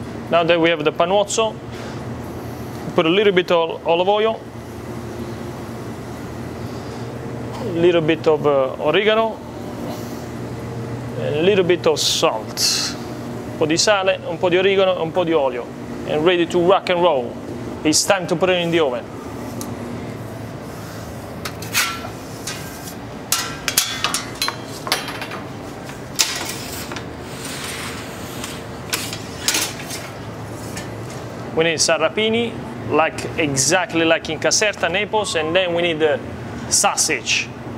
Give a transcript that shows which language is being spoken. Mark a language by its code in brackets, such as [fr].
[en] Now, that we have the panuozzo, put a little bit of olive oil, a little bit of oregano, and a little bit of salt. [it] Un po' di sale, un po' di oregano, un po' di olio. [en] And ready to rock and roll. It's time to put it in the oven. We need sarrapini, like exactly like in Caserta, Naples, and then we need the sausage.